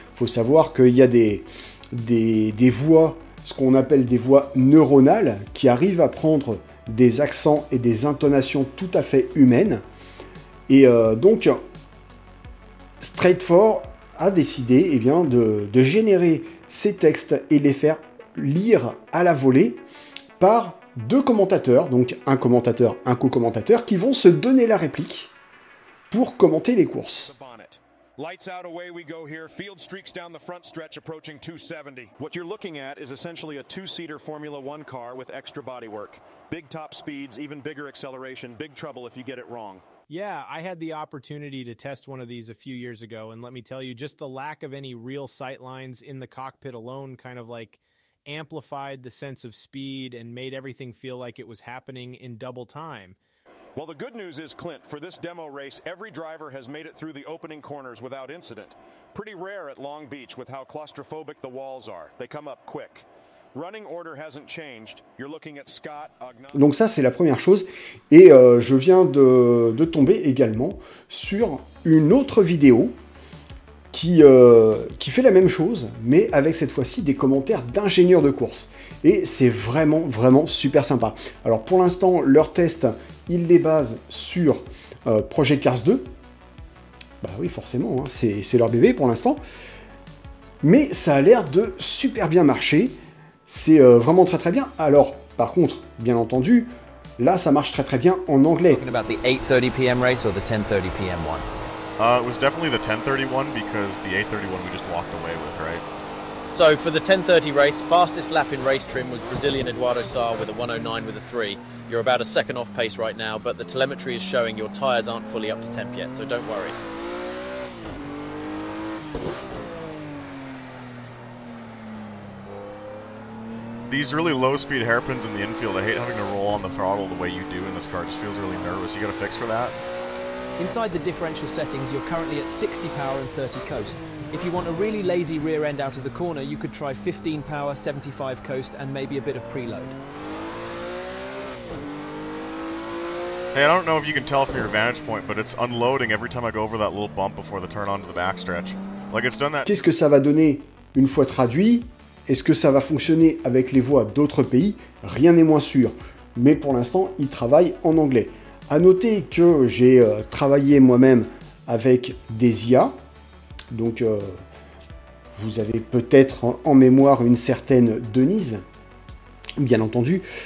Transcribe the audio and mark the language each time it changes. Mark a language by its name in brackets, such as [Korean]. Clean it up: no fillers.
[French] Il faut savoir qu'il y a des voix, ce qu'on appelle des voix neuronales, qui arrivent à prendre des accents et des intonations tout à fait humaines. Et donc, Straight Force a décidé de générer ces textes et les faire lire à la volée par deux commentateurs, donc un commentateur, un co-commentateur, qui vont se donner la réplique pour commenter les courses. [English] Lights out, away we go here. Field streaks down the front stretch, approaching 270. What you're looking at is essentially a two-seater Formula One car with extra bodywork. Big top speeds, even bigger acceleration, big trouble if you get it wrong. Yeah, I had the opportunity to test one of these a few years ago, and let me tell you, just the lack of any real sight lines in the cockpit alone kind of like amplified the sense of speed and made everything feel like it was happening in double time. Well, the good news is, Clint, for this demo race, every driver has made it through the opening corners without incident. Pretty rare at Long Beach with how claustrophobic the walls are. They come up quick. Running order hasn't changed. You're looking at Scott Agnew. [French] Donc ça, c'est la première chose. Et je viens de tomber également sur une autre vidéo qui fait la même chose, mais avec cette fois-ci des commentaires d'ingénieurs de course. Et c'est vraiment, vraiment super sympa. Alors pour l'instant, leur test, ils les basent sur Project Cars 2. Bah oui, forcément, hein, c'est leur bébé pour l'instant. Mais ça a l'air de super bien marcher. C'est vraiment très très bien. Alors, par contre, bien entendu, là, ça marche très très bien en anglais. [English] Talking about the 8:30 p.m. race or the 10:30 p.m. one? It was definitely the 10:30 one because the 8:30 one we just walked away with, right? So for the 10:30 race, fastest lap in race trim was Brazilian Eduardo Saar with a 109 with a 3. You're about a second off pace right now, but the telemetry is showing your tires aren't fully up to temp yet, so don't worry. These really low speed hairpins in the infield, I hate having to roll on the throttle the way you do in this car. It just feels really nervous. You got a fix for that? Inside the differential settings, you're currently at 60 power and 30 coast. If you want a really lazy rear end out of the corner, you could try 15 power, 75 coast, and maybe a bit of preload. Hey, I don't know if you can tell from your vantage point, but it's unloading every time I go over that little bump before the turn onto the backstretch. Like, it's done that... [French] Qu'est-ce que ça va donner une fois traduit? Est-ce que ça va fonctionner avec les voix d'autres pays? Rien n'est moins sûr. Mais pour l'instant, ils travaillent en anglais. À noter que j'ai travaillé moi-même avec des IA. Donc, vous avez peut-être en mémoire une certaine Denise, bien entendu.